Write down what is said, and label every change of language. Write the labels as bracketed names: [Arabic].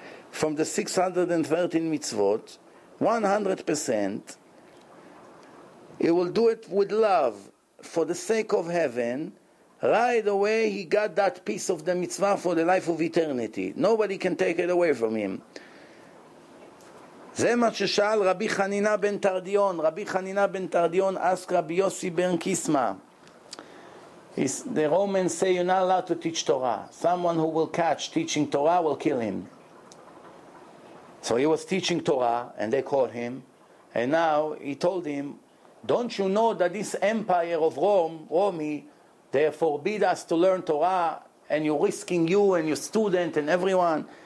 [English] From the 613 mitzvot, 100%, he will do it with love for the sake of heaven. Right away, he got that piece of the mitzvah for the life of eternity. Nobody can take it away from him. [Hebrew] זה מה ששאל רבי חנינה בן תרדיון. רבי חנינה בן תרדיון asked רבי יוסי בן קיסמה. [English] The Romans say you're not allowed to teach Torah. Someone who will catch teaching Torah will kill him. So he was teaching Torah, and they caught him. And now he told him, "Don't you know that this empire of Rome, Romy, they forbid us to learn Torah, and you're risking you and your student and everyone."